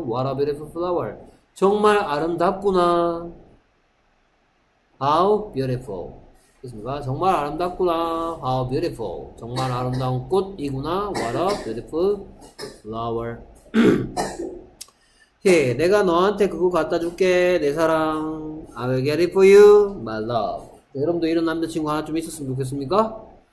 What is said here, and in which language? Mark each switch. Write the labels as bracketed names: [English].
[English] What a beautiful flower. [Korean] 정말 아름답구나. [English] How beautiful. [Korean] 그렇습니까? 정말 아름답구나. [English] How beautiful. [Korean] 정말 아름다운 꽃이구나. [English] What a beautiful flower. [Korean] 헤이, 내가 너한테 그거 갖다 줄게. 내 사랑. [English] I will get it for you, my love. [Korean] 여러분도 이런 남자친구 하나 좀 있었으면 좋겠습니까?